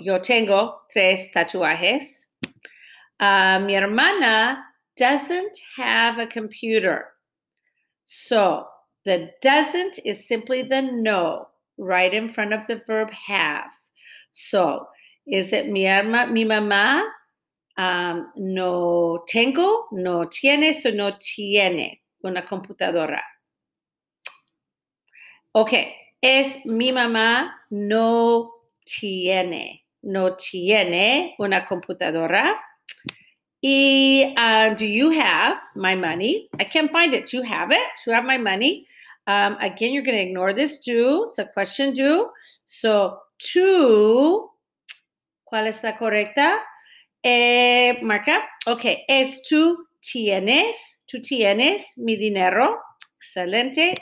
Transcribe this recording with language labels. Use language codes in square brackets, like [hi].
[es] Yo tengo tres tatuajes. Mi hermana [en] doesn't have a computer. So, the doesn't is simply the no, right in front of the verb have. So, is it [es] mi mamá? No tengo, no tiene, so no tiene una computadora. Okay, es mi mamá no tiene una computadora. [en] Y do you have my money? I can't find it. Do you have it? Do you have my money? Again, you're going to ignore this do. It's a question do. So, to, [es] ¿cuál es la correcta? Marca. Okay, es tú tienes mi dinero. Excelente.